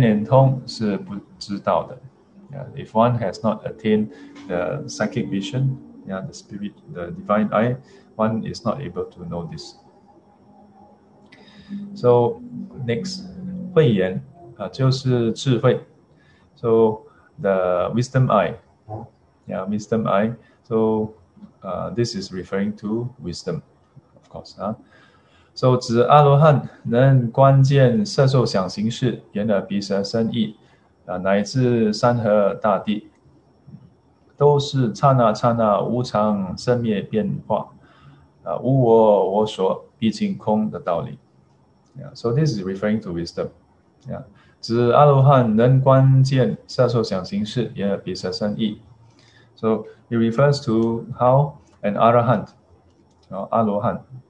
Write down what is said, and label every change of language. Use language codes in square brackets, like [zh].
[zh] 若没得天眼通是不知道的. [en] Yeah. If one has not attained the psychic vision, yeah, the spirit, the divine eye, one is not able to know this. [zh] So next, 慧眼, 就是智慧. [en] So the wisdom eye, yeah, wisdom eye. So this is referring to wisdom, of course. [zh] So 指阿罗汉能观见色受想行识，眼耳鼻舌身意，乃至山河大地，都是刹那刹那无常生灭变化，无我我所毕竟空的道理。 [en] So this is referring to wisdom. [zh] 指阿罗汉能观见色受想行识，眼耳鼻舌身意。 [en] So it refers to how an Arahant, 阿罗汉。